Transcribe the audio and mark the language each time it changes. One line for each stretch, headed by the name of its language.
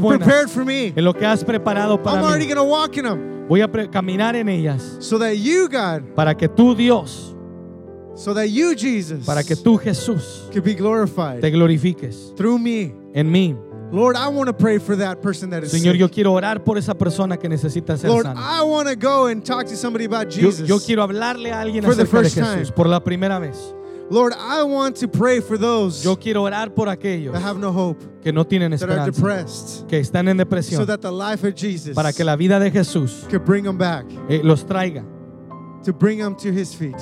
English: That you have prepared for me.
Spanish: En lo que has preparado para mí.
English: I'm already going to walk in them.
Spanish: Voy a caminar en ellas.
English: So that you, God.
Spanish: Para que tú, Dios.
English: So that you, Jesus.
Spanish: Para que tú, Jesús.
English: Can be glorified.
Spanish: Te glorifiques.
English: Through me.
Spanish: En mí.
English: Lord, I want to pray for that person that is
Spanish: Señor,
English: sick.
Spanish: Yo quiero orar por esa persona que necesita ser
English: Lord,
Spanish: sana.
English: I want to go and talk to somebody about Jesus.
Spanish: Yo quiero hablarle a alguien acerca de Jesús.
English: For the first time.
Spanish: Por la primera vez.
English: Lord, I want to pray for those
Spanish: yo quiero orar por aquellos
English: that have no hope,
Spanish: que no tienen esperanza,
English: that are depressed,
Spanish: que están en depresión,
English: so that the life of Jesus
Spanish: para que la vida de Jesús
English: could bring them back,
Spanish: los traiga,
English: to bring them to his feet,